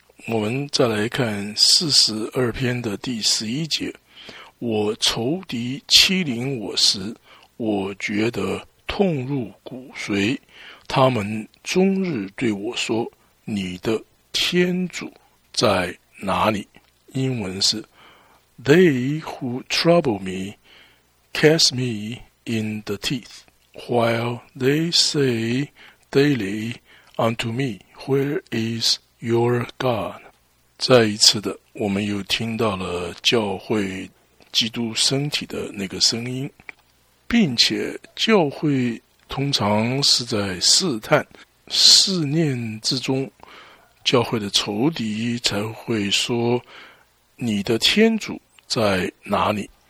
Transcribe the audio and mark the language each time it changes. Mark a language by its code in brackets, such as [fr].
[zh] 我们再来看42篇的第11节：我仇敌欺凌我时，我觉得痛入骨髓，他们终日对我说：“你的天主在哪里？” 英文是 [en] They who trouble me cast me in the teeth, while they say daily unto me, Where is your God? [zh] 再一次的，我们又听到了教会基督身体的那个声音，并且教会通常是在试探、试念之中，教会的仇敌才会说你的天主在哪里。